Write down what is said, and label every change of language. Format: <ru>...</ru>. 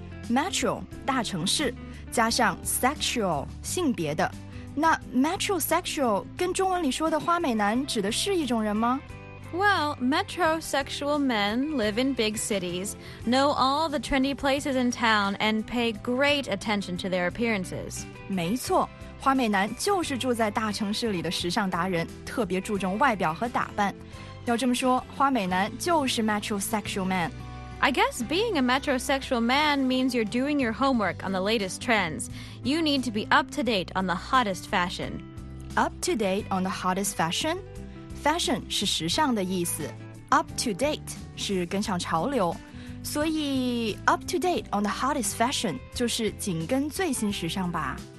<zh>Metro, 大城市加上 sexual, 性别的那 metrosexual 跟中文里说的花美男指的是一种人吗</zh> <en>Well, metrosexual men live in big cities, know all the trendy places in town, and pay great attention to their appearances.</en> <zh>没错，花美男就是住在大城市里的时尚达人，特别注重外表和打扮。要这么说，花美男就是 metrosexual man.</zh> <en>I guess being a metrosexual man means you're doing your homework on the latest trends. You need to be up to date on the hottest fashion. Up to date on the hottest fashion?</en> <zh>Fashion 是时尚的意思 ，</zh> <en>up to date 是跟上潮流，所以 up to date on the hottest fashion</en> <zh>就是紧跟最新时尚吧。</zh>